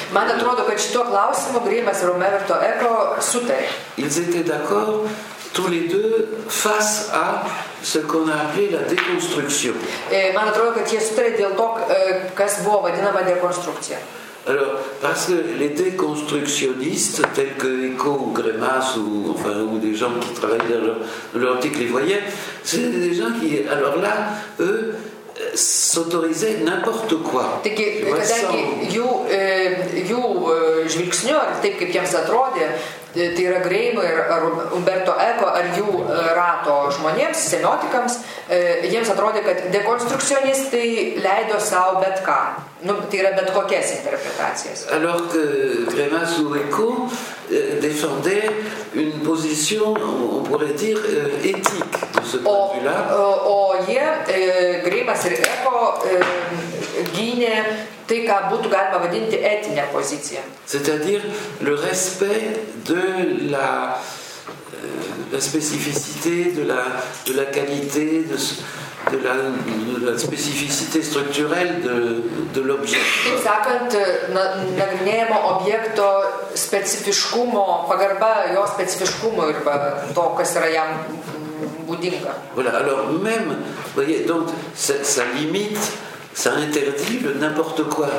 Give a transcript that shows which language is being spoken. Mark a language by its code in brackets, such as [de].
[lt] Man atrodo, kad šito klausimo Grimas ir Umberto Eco sutarė. [fr] Ils étaient d'accord. Tous les deux face à ce qu'on a appelé la déconstruction. [lt] Man atrodo, kad jie sutarė dėl to, kas buvo vadinama dekonstrukcija. [fr] Alors, parce que les déconstructionnistes, tels que Eco ou Grimas ou des gens qui travaillent dans leur article, les voyaient, c'est des gens qui, alors là, eux, s'autorisait n'importe quoi. [lt] Taigi, kadangi jų žvilgsniu, ar taip, kaip jiems atrodė, tai yra Greimo ir Umberto Eco, ar jų rato žmonėms, semiotikams, jiems atrodė, kad dekonstrukcionistai leido savo bet ką. Nu, tai yra bet kokias interpretacijas. [fr] Alors que Grimas ou Eco défendait une position, on pourrait dire, éthique de ce point de vue-là. [lt] Grimas ir Eco gynė tai, ką būtų galima vadinti etinė pozicija. [fr] C'est-à-dire le respect de la spécificité, de la qualité, de la spécificité structurelle de l'objet. [lt] Taip sakant, nagrinėjimo objekto specifiškumo, pagarba jo specifiškumo ir to, kas yra jam būdinga. [fr] Voilà, alors même, voyez, donc, ça limite, ça interdit le n'importe quoi.